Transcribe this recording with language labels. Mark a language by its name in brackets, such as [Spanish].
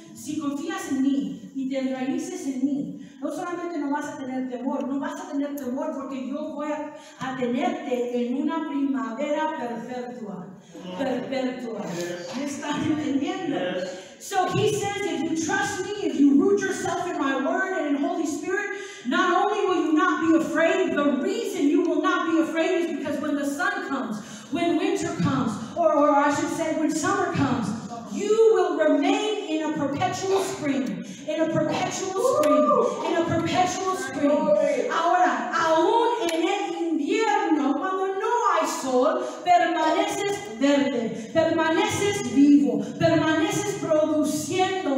[Spanish] Si confías en mí y te enraíces en mí, no solamente no vas a tener temor, no vas a tener temor porque yo voy a tenerte en una primavera perpetua. Perpetua. ¿Me están entendiendo? [English] So he says, if you trust me, if you root yourself in my word and in Holy Spirit, not only will you not be afraid, the reason you will not be afraid is because when the sun comes, when winter comes, or I should say when summer comes, you will remain in a perpetual spring, in a perpetual spring, in a perpetual spring. [Spanish] Ahora, aún en el invierno, cuando no hay sol, permaneces verde, permaneces vivo, permaneces produciendo.